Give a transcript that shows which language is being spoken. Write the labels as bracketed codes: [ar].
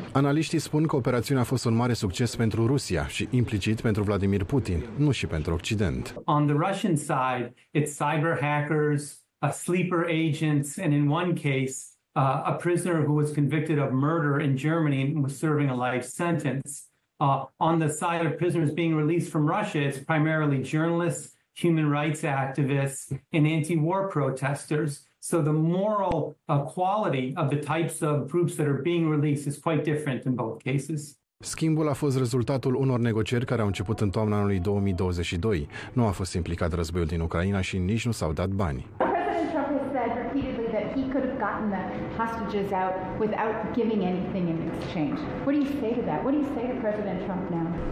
[ro] Analiștii spun că operațiunea a fost un mare succes pentru Rusia și implicit pentru Vladimir Putin, nu și pentru Occident. [en] On the Russian side, it's cyber hackers, a sleeper agents, and in one case, a prisoner who was convicted of murder in Germany and was serving a life sentence. On the side of prisoners being released from Russia, it's primarily journalists, human rights activists, and anti-war protesters. So the moral quality of the types of groups that are being released is quite different in both cases. [ro] Schimbul a fost rezultatul unor negocieri care au început în toamna anului 2022. Nu a fost implicat războiul din Ucraina și nici nu s-au dat bani. [en] President Trump has said repeatedly that he could have gotten the hostages out without giving anything in exchange. What do you say to that? What do you say to President Trump now?